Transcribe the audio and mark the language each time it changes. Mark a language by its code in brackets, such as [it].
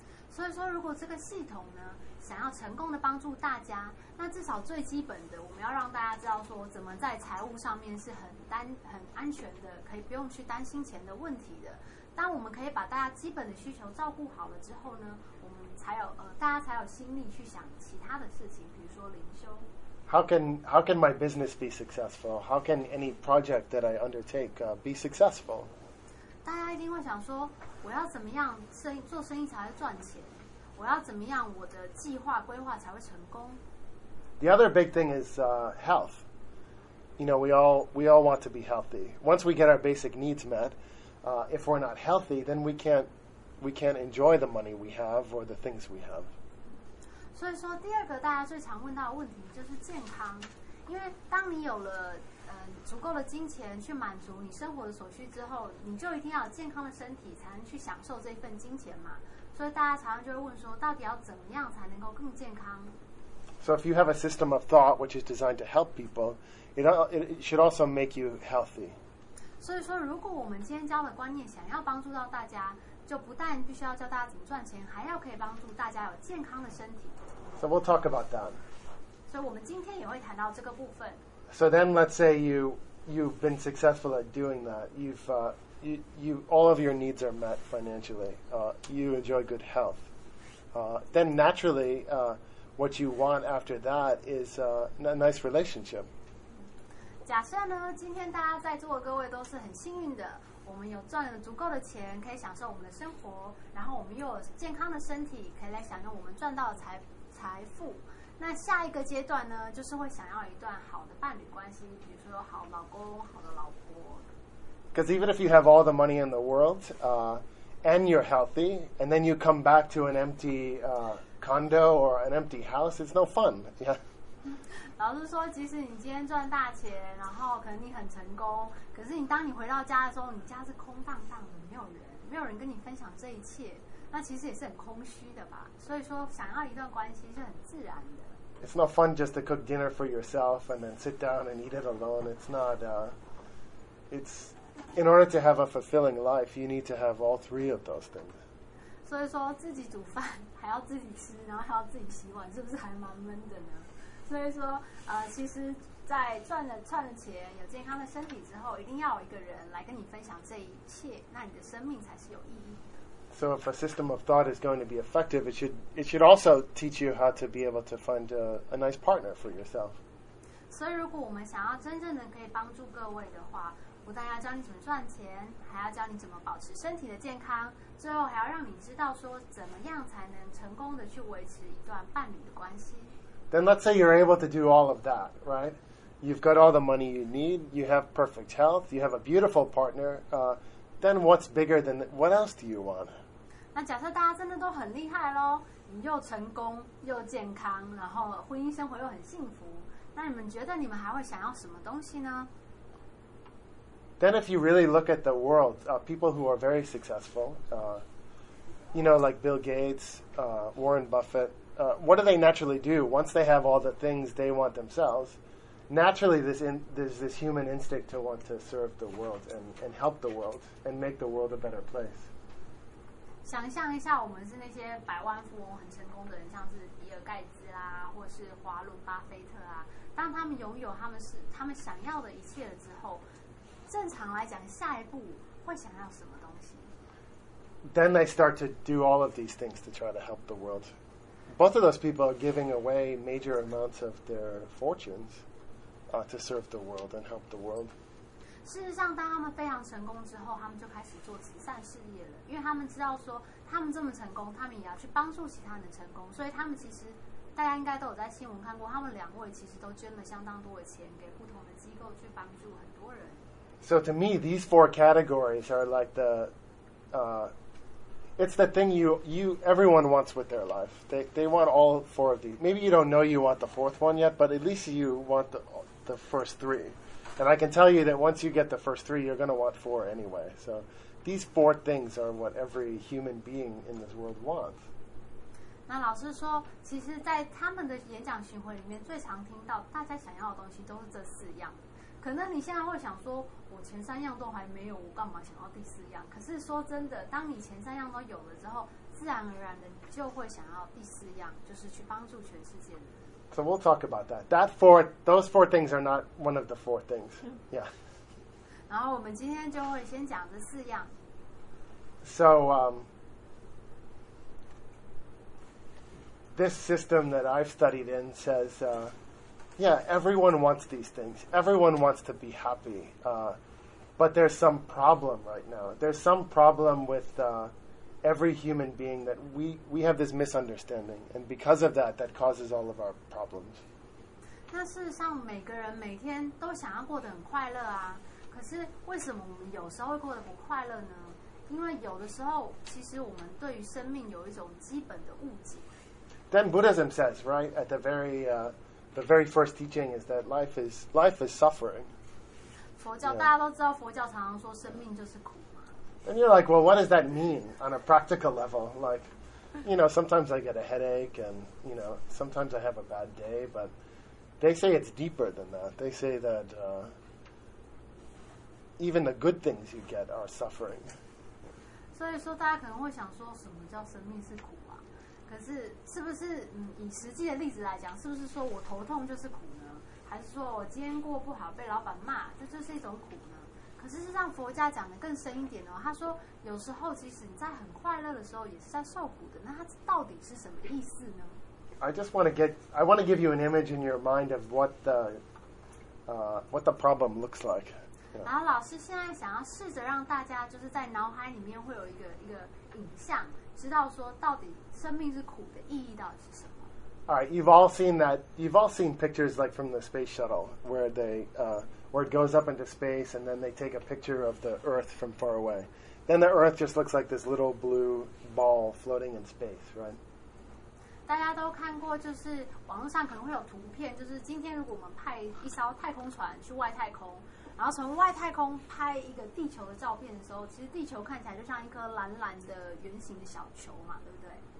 [zh] 所以说，如果这个系统呢，想要成功的帮助大家，那至少最基本的，我们要让大家知道说，怎么在财务上面是很安全的，可以不用去担心钱的问题的。当我们可以把大家基本的需求照顾好了之后呢？大家才有心力去想其他的事情，比如说灵修。 [en] How can my business be successful? How can any project that I undertake be successful? [zh] 大家一定会想说，我要怎么样做生意才会赚钱？我要怎么样我的计划规划才会成功？ [en] The other big thing is health. You know, we all want to be healthy. Once we get our basic needs met, if we're not healthy, then we can't enjoy the money we have or the things we have. [zh] 所以说第二个大家最常问到的问题就是健康，因为当你有了足够的金钱去满足你生活的所需之后，你就一定要有健康的身体才能去享受这份金钱嘛。所以大家常常就会问说，到底要怎么样才能够更健康？ [en] So if you have a system of thought which is designed to help people, it should also make you healthy. [zh] 所以说，如果我们今天教的观念想要帮助到大家，就不但必须要教大家怎么赚钱，还要可以帮助大家有健康的身体。 [en] So we'll talk about that. [zh] 所以我们今天也会谈到这个部分。 [en] So then, let's say you've been successful at doing that. You've all of your needs are met financially. You enjoy good health. Then naturally. What you want after that is a nice relationship. [zh] 假设呢，今天大家在座的各位都是很幸运的，我们有赚了足够的钱，可以享受我们的生活，然后我们又有健康的身体，可以来享用我们赚到的财富。那下一个阶段呢，就是会想要一段好的伴侣关系，比如说有好老公、好的老婆。 [en] Because even if you have all the money in the world, and you're healthy, and then you come back to an empty. Condo or an empty house, it's no fun. Yeah. [zh] 老师说，即使你今天赚大钱，然后可能你很成功，可是你当你回到家的时候，你家是空荡荡的，没有人跟你分享这一切，那其实也是很空虚的吧。所以说，想要一段关系是很自然的。 [en] It's not fun just to cook dinner for yourself and then sit down and eat it alone. It's not. It's in order to have a fulfilling life, you need to have all three of those things. [zh] 所以说自己煮饭还要自己吃，然后还要自己洗碗，是不是还蛮闷的呢？所以说，其实，在赚了钱，有健康的身体之后，一定要有一个人来跟你分享这一切，那你的生命才是有意义的。 [en] So if a system of thought is going to be effective, it should also teach you how to be able to find a nice partner for yourself. [zh] 所以，如果我们想要真正的可以帮助各位的话。不但要教你怎么赚钱，还要教你怎么保持身体的健康，最后还要让你知道说怎么样才能成功的去维持一段伴侣的关系。 [en] Then let's say you're able to do all of that, right? You've got all the money you need, you have perfect health, you have a beautiful partner. Then what's bigger than what else do you want? [zh] 那假设大家真的都很厉害喽，你又成功又健康，然后婚姻生活又很幸福，那你们觉得你们还会想要什么东西呢？ [en] Then if you really look at the world, people who are very successful, you know, like Bill Gates, Warren Buffett, what do they naturally do? Once they have all the things they want themselves, naturally there's this human instinct to want to serve the world and help the world and make the world a better place. [zh] 想象一下我们是那些百万富翁很成功的人，像是比尔盖茨啊，或是华伦巴菲特啊，当他们拥有他们想要的一切了之后，正常来讲，下一步会想要什么东西？ [en] Then they start to do all of these things to try to help the world. Both of those people are giving away major amounts of their fortunes, to serve the world and help the world. [zh] 事实上，当他们非常成功之后，他们就开始做慈善事业了，因为他们知道说，他们这么成功，他们也要去帮助其他人的成功。所以他们其实，大家应该都有在新闻看过，他们两位其实都捐了相当多的钱给不同的机构去帮助很多人。 [en] So to me, these four categories are like the, it's the thing everyone wants with their life. They want all four of these. Maybe you don't know you want the fourth one yet, but at least you want the first three. And I can tell you that once you get the first three, you're going to want four anyway. So these four things are what every human being in this world wants. [zh] 那老师说，其实在他们的演讲巡回里面，最常听到大家想要的东西都是这四样。可能你现在会想说，我前三样都还没有，我干嘛想要第四样？可是说真的，当你前三样都有了之后，自然而然的你就会想要第四样，就是去帮助全世界的人。 [en] So we'll talk about that. Those four things are not one of the four things. Yeah. [zh] 然后我们今天就会先讲这四样。 [en] So this system that I've studied in says. Yeah, everyone wants these things. Everyone wants to be happy. But there's some problem right now. There's some problem with every human being that we have this misunderstanding. And because of that, that causes all of our problems. [zh] 那事实上每个人每天都想要过得很快乐啊。可是为什么我们有时候会过得不快乐呢？因为有的时候其实我们对于生命有一种基本的误解。 [en] Then Buddhism says, right, at the very... The very first teaching is that life is suffering. [zh] 佛教、 [en] yeah. [zh] 大家都知道，佛教常常说生命就是苦嘛。 [en] And you're like, well, what does that mean on a practical level? Like, you know, sometimes I get a headache and, you know, sometimes I have a bad day, but they say it's deeper than that. They say that even the good things you get are suffering. [zh] 所以说大家可能会想说什么叫生命是苦啊，可是是不是以实际的例子来讲，是不是说我头痛就是苦呢，还是说我今天过不好被老板骂，这就是一种苦呢？可是让佛家讲的更深一点哦，他说有时候即使你在很快乐的时候也是在受苦的，那他到底是什么意思呢？ [en] I want to give you an image in your mind of what the problem looks like. Yeah. [zh] 然后老师现在想要试着让大家就是在脑海里面会有一个影像，知道说到底生命是苦的意义到底是什么。 [en] All right, you've all seen pictures like from the space shuttle where it goes up into space and then they take a picture of the Earth from far away. Then the Earth just looks like this little blue ball floating in space, right? [zh] 大家都看过，就是网络上可能会有图片，就是今天如果我们派一艘太空船去外太空，然后从外太空拍一个地球的照片的时候，其实地球看起来就像一颗蓝蓝的圆形的小球嘛，对不对？